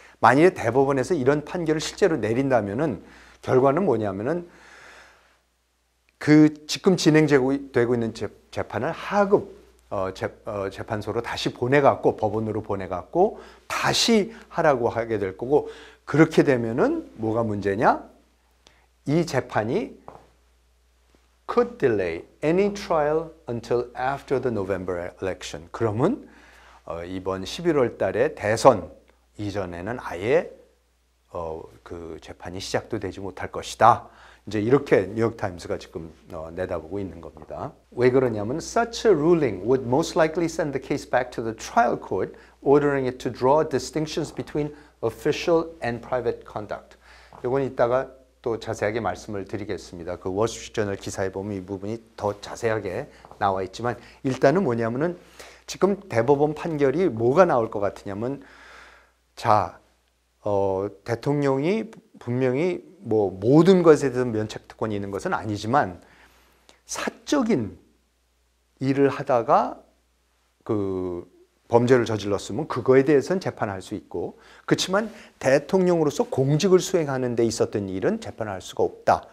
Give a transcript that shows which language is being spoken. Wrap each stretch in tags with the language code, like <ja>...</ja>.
<ko>만일 대법원에서 이런 판결을 실제로 내린다면은 결과는 뭐냐면은 그 지금 진행되고 있는 재판을 하급 재판소로 다시 보내갖고 법원으로 보내갖고 다시 하라고 하게 될 거고 그렇게 되면은 뭐가 문제냐? 이 재판이</ko> <en>could delay any trial until after the November election.</en> <ko>그러면 이번 11월 달에 대선 이전에는 아예 그 재판이 시작도 되지 못할 것이다. 이제 이렇게 뉴욕타임스가 지금 내다보고 있는 겁니다. 왜 그러냐면</ko> <en>such a ruling would most likely send the case back to the trial court ordering it to draw distinctions between official and private conduct.</en> <ko>이건 이따가 또 자세하게 말씀을 드리겠습니다. 그 월스트리트저널 기사에 보면 이 부분이 더 자세하게 나와 있지만 일단은 뭐냐면은 지금 대법원 판결이 뭐가 나올 것 같으냐면 자 대통령이 분명히 뭐 모든 것에 대해서 면책특권이 있는 것은 아니지만 사적인 일을 하다가 그 범죄를 저질렀으면 그거에 대해서는 재판할 수 있고 그렇지만 대통령으로서 공직을 수행하는 데 있었던 일은 재판할 수가 없다.</ko>